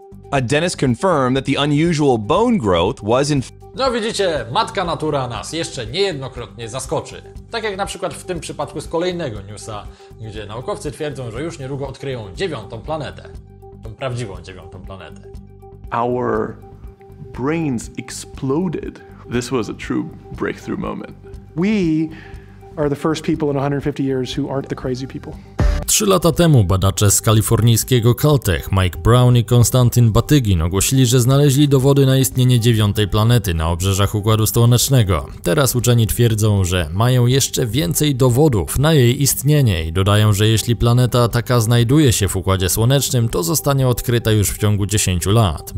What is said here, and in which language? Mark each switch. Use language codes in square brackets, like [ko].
[en] A dentist confirmed that the unusual bone growth was in... [pl] No widzicie, matka natura nas jeszcze niejednokrotnie zaskoczy. Tak jak na przykład w tym przypadku z kolejnego newsa, gdzie naukowcy twierdzą, że już niedługo odkryją dziewiątą planetę. Tą prawdziwą dziewiątą planetę. [en] Our brains exploded. This was a true breakthrough moment. We are the first people in 150 years who aren't the crazy people. [pl] 3 lata temu badacze z kalifornijskiego Caltech, Mike Brown i Konstantin Batygin, ogłosili, że znaleźli dowody na istnienie dziewiątej planety na obrzeżach Układu Słonecznego. Teraz uczeni twierdzą, że mają jeszcze więcej dowodów na jej istnienie i dodają, że jeśli planeta taka znajduje się w Układzie Słonecznym, to zostanie odkryta już w ciągu 10 lat.